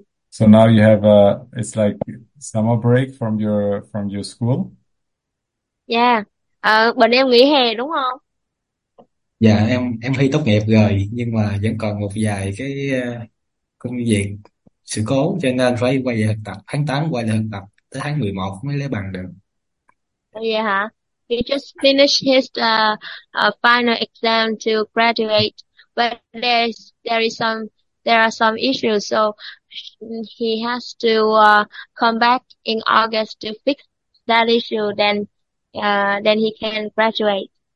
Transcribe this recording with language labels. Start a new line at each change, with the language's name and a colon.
English: So now you have a, it's like summer break from your school. Yeah.
Vietnamese: Bọn em nghỉ hè đúng không? Dạ em thi tốt nghiệp rồi nhưng mà vẫn còn một vài cái công việc sự cố cho nên phải quay về thực tập. Tháng 8 quay về thực tập tới tháng 11 mới lấy bằng được. Vậy hả?
English: He just finished his final exam to graduate, but there are some issues, so he has to come back in August to fix that issue, then he can graduate.